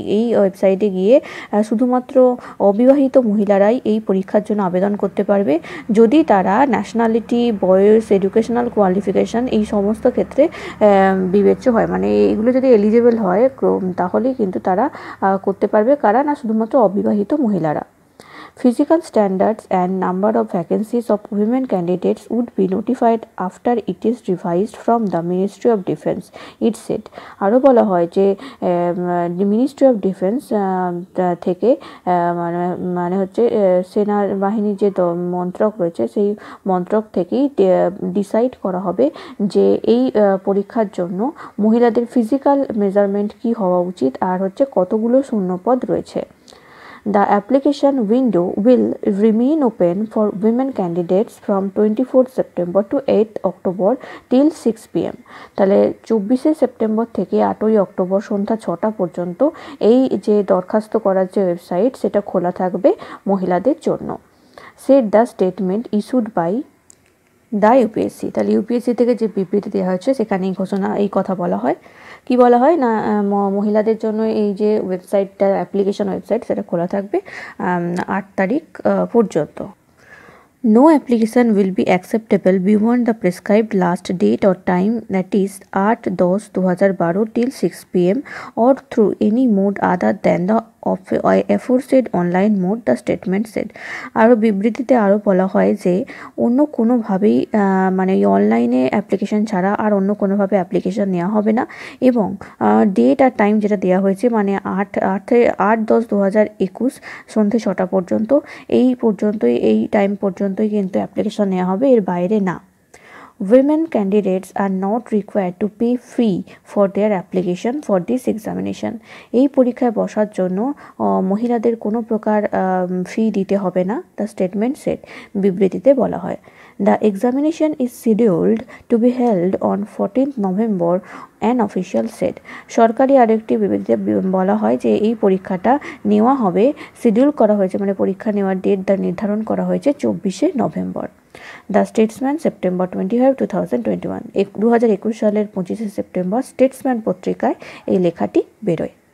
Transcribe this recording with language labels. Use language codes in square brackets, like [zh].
[bn] এই ওয়েবসাইটে গিয়ে শুধুমাত্র অবিবাহিত মহিলারাই এই পরীক্ষার জন্য আবেদন করতে পারবে, যদি তারা ন্যাশনালিটি, বয়স, এডুকেশনাল কোয়ালিফিকেশান এই সমস্ত ক্ষেত্রে বিবেচ্য হয়, মানে এগুলো যদি এলিজেবল হয় তাহলেই কিন্তু তারা করতে পারবে। কারা? না, শুধুমাত্র অবিবাহিত মহিলারা। [en] Physical standards and number of vacancies of women candidates would be notified after it is revised from the Ministry of Defense, it said. [bn] আরও বলা হয় যে মিনিস্ট্রি অফ ডিফেন্স থেকে মানে হচ্ছে সেনাবাহিনীর যে মন্ত্রক রয়েছে সেই মন্ত্রক থেকেই ডিসাইড করা হবে যে এই পরীক্ষার জন্য মহিলাদের ফিজিক্যাল মেজারমেন্ট কী হওয়া উচিত আর হচ্ছে কতগুলো শূন্যপদ রয়েছে। [en] The application window will remain open for women candidates from 24th September to 8th October till 6 p.m. [bn] তাহলে 24 সেপ্টেম্বর থেকে 8ই অক্টোবর সন্ধ্যা 6টা পর্যন্ত এই যে দরখাস্ত করার যে ওয়েবসাইট সেটা খোলা থাকবে মহিলাদের জন্য, [en] said the statement issued by the UPSC. [bn] তাহলে ইউপিএসসি থেকে যে বিবৃতি দেওয়া হয়েছে সেখানেই ঘোষণা এই কথা বলা হয়। কি বলা হয়? না, মহিলাদের জন্য এই যে ওয়েবসাইটটা, অ্যাপ্লিকেশন ওয়েবসাইট, সেটা খোলা থাকবে 8 তারিখ পর্যন্ত। [en] No application will be acceptable beyond the prescribed last date or time, that is 8/10/2012 till 6 PM or through any mode other than the of aforesaid online mode, the statement said. [bn] আরও বিবৃতিতে আরও বলা হয় যে অন্য কোনোভাবেই মানে এই অনলাইনে অ্যাপ্লিকেশান ছাড়া আর অন্য কোনোভাবে অ্যাপ্লিকেশান নেওয়া হবে না, এবং ডেট আর টাইম যেটা দেওয়া হয়েছে মানে 8/10/2021 সন্ধ্যে 6টা পর্যন্ত, এই পর্যন্তই, এই টাইম পর্যন্তই কিন্তু অ্যাপ্লিকেশান নেওয়া হবে, এর বাইরে না। [en] women candidates are not required to pay fee for their application for this examination. [bn] এই পরীক্ষায় বসার জন্য মহিলাদের কোনো প্রকার ফি দিতে হবে না, [en] the statement said, [bn] বিবৃতিতে বলা হয়। [en] The examination is scheduled to be held on 14th November, an official said. [bn] সরকারি আরেকটি বিবৃতিতে বলা হয় যে এই পরীক্ষাটা নেওয়া হবে, শিডিউল করা হয়েছে, মানে পরীক্ষা নেওয়ার ডেট দা নির্ধারণ করা হয়েছে 24 নভেম্বর। [en] The statesman September 25, 2021.